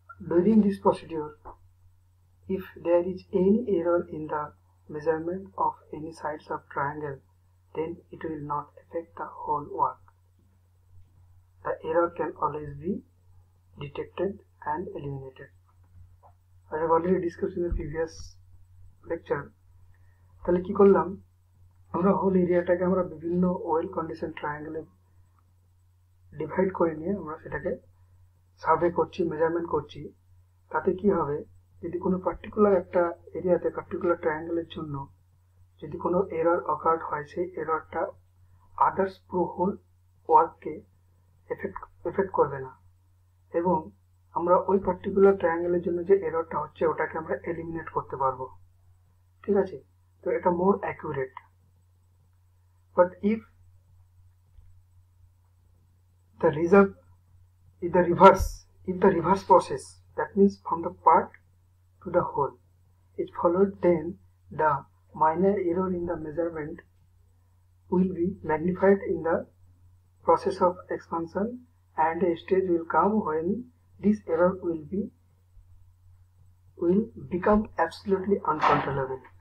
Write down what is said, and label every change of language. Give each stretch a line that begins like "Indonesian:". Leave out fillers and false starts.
English: During this procedure, if there is any error in the measurement of any sides of triangle, then it will not affect the whole work. The error can always be detected and eliminated. I have already discussed in the previous lecture.
Bangla: তাহলে কি করলাম, আমরা whole এরিয়াটাকে আমরা বিভিন্ন well condition ট্রায়াঙ্গেলে divide করে নিয়ে আমরা সেটাকে সার্ভে করছি, মেজারমেন্ট করছি। তাতে কি হবে, যদি কোনো পার্টিকুলার একটা এরিয়াতে পার্টিকুলার ট্রায়াঙ্গেলের জন্য যদি কোনো এরর অকার্ড হয়, সেই এররটা আদার্স পুরো হোল ওয়ার্ককে এফেক্ট করবে না, এবং আমরা ওই পার্টিকুলার ট্রায়াঙ্গেলের জন্য যে এররটা হচ্ছে ওটাকে আমরা এলিমিনেট করতে পারবো। ঠিক আছে, তো এটা মোর accurate.
English: But if the result is the reverse, if the reverse process, that means from the part to the whole, is followed, then the minor error in the measurement will be magnified in the process of expansion, and a stage will come when this error will become absolutely uncontrollable.